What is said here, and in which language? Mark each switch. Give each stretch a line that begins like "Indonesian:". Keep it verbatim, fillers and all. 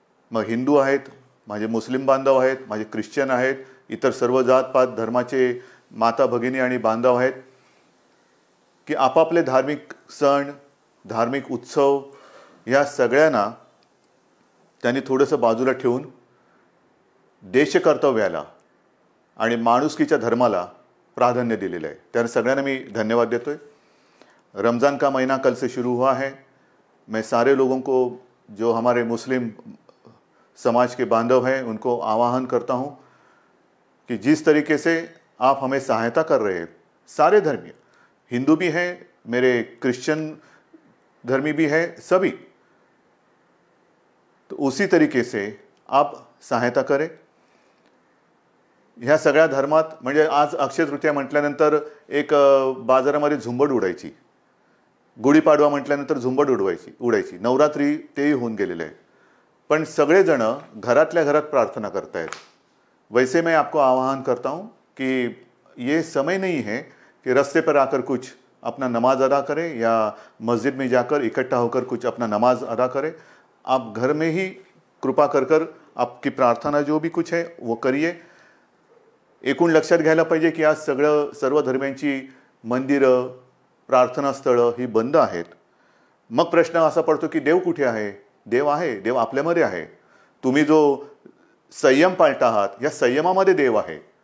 Marathi: मग हिंदू आहेत, माझे मुस्लिम बांधव आहेत, माझे ख्रिश्चन आहेत, इतर सर्व जातपात धर्माचे माता भगिनी आणि बांधव आहेत की आपापले धार्मिक सण, धार्मिक उत्सव या सगळ्यांना त्यांनी थोडंसं बाजूला ठेवून देशकर्तव्याला आणि माणुसकीच्या धर्माला प्राधान्य दिलेलं आहे. त्यानं सगळ्यांना मी धन्यवाद देतो आहे.
Hindi: रमज़ान का महीना कल से शुरू हुआ है. मैं सारे लोगों को, जो हमारे मुस्लिम समाज के बांधव हैं, उनको आह्वान करता हूँ कि जिस तरीके से आप हमें सहायता कर रहे हैं, सारे धर्मीय, हिंदू भी हैं, मेरे क्रिश्चियन धर्मी भी हैं, सभी, तो उसी तरीके से आप सहायता करें.
Marathi: ह्या सगळ्या धर्मात, म्हणजे आज अक्षय तृतीया म्हटल्यानंतर एक बाजारामध्ये झुंबड उडायची, गुढीपाडवा म्हटल्यानंतर झुंबड उडवायची उडायची नवरात्री तेही होऊन गेलेलं आहे, पण सगळेजण घरातल्या घरात प्रार्थना करतायत.
Hindi: वैसे मैं आपको आह्वान करता हूँ कि ये समय नहीं है कि रस्ते पर आकर कुछ अपना नमाज अदा करें या मस्जिद में जाकर इकट्ठा होकर कुछ अपना नमाज अदा करें. आप घर में ही कृपा कर कर आपकी प्रार्थना जो भी कुछ है वो करिए.
Marathi: एकूण लक्षात घ्यायला पाहिजे की आज सगळं सर्व धर्मांची मंदिरं, प्रार्थनास्थळं ही बंद आहेत. मग प्रश्न असा पडतो की देव कुठे आहे? देव आहे, देव आपल्यामध्ये आहे. तुम्ही जो संयम पाळत आहात या संयमामध्ये देव आहे.